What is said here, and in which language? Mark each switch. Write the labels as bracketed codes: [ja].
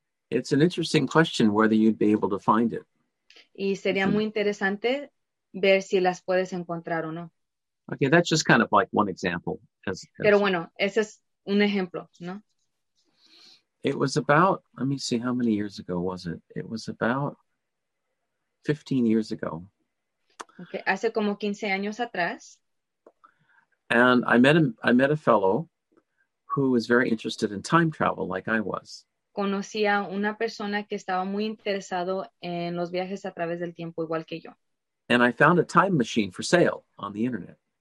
[en] It's an interesting question whether you'd be able to find it. [es] Y sería muy interesante ver si las puedes encontrar o no. [en] Okay, that's just kind of like one example. [es] Pero bueno, ese es un ejemplo, ¿no? [en] It was about, let me see, how many years ago was it? It was about 15 years ago. [es] Okay. Hace como 15 años atrás. [en] And I met a fellow who was very interested in time travel, like I was. [es] Conocí a una persona que estaba muy interesado en los viajes a través del tiempo, igual que yo. [en] And I found a time machine for sale on the internet.